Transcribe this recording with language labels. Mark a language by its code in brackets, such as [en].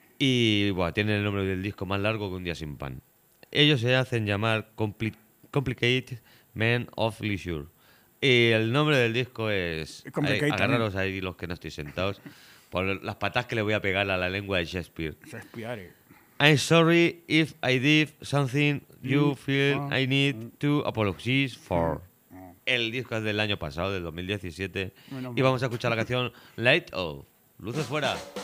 [es] Y, bueno, tienen el nombre del disco más largo que Un día sin pan. Ellos se hacen llamar Complicated Men of Leisure. Y el nombre del disco es... Agarraros ahí los que no estéis sentados por las patas que le voy a pegar a la lengua de Shakespeare. Shakespeare. [en] I'm sorry if I did something you feel I need to apologize for. [es] El disco es del año pasado, del 2017. Bueno, y vamos a escuchar la canción Light Off. Luces fuera.